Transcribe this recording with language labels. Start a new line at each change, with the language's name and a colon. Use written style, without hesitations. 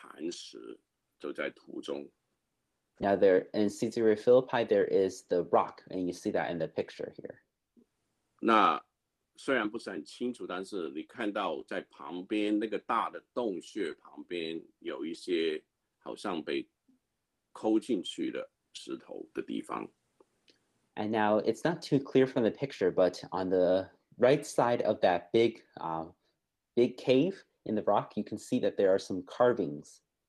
Chinese: 盖萨利亚菲利比，是那边有一个磐石，就在图中。Now
English: there in Caesarea Philippi, there is the rock, and you see that in the picture here.
Chinese: 那虽然不是很清楚，但是你看到在旁边那个大的洞穴旁边有一些。好像被抠进去的石头的地方。And
English: now it's not too clear from the picture, but on the right side of that big, big cave in the rock, you can see that there are some carvings.